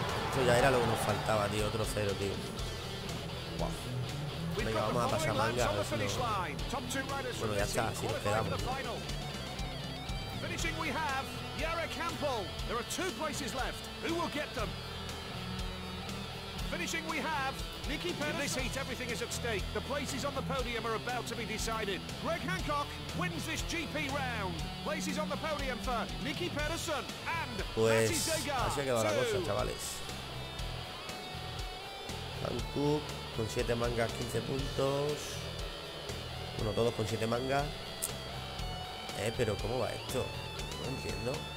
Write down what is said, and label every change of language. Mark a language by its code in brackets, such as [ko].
[es] Esto ya era lo que nos faltaba, tío. Otro cero, tío. Uah. Venga, vamos a pasar manga. A ver si no... Bueno, ya está, así nos quedamos. [en] Finishing we have Yara Campbell. There are two places left. Who will get them? Finishing we have Nicky Pérez. In this heat, everything is at stake. The places on the podium are about to be decided. Greg Hancock wins this GP round. Places on the podium for Nicky Pérez and [es] pues, así ha quedado la cosa, chavales. Hancock con 7 mangas, 15 puntos. Bueno, todos con 7 mangas. Pero ¿cómo va esto? No entiendo.